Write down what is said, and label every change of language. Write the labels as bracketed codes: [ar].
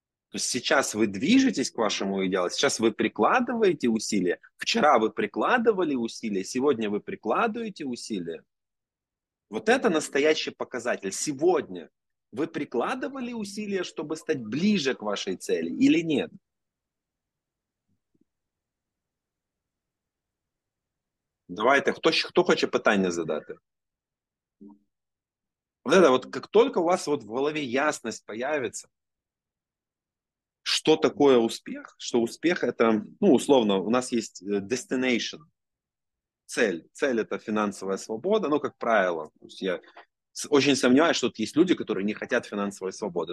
[ru] То есть сейчас вы движетесь к вашему идеалу, сейчас вы прикладываете усилия. Вчера вы прикладывали усилия, сегодня вы прикладываете усилия. Вот это настоящий показатель. Сегодня. Вы прикладывали усилия, чтобы стать ближе к вашей цели или нет? [uk] Давайте, кто хоче питання задати? [ru] Вот как только у вас вот в голове ясность появится, что такое успех, что успех это, ну, условно, у нас есть destination, цель. Цель это финансовая свобода, ну, как правило. То есть я очень сомневаюсь, что тут есть люди, которые не хотят финансовой свободы.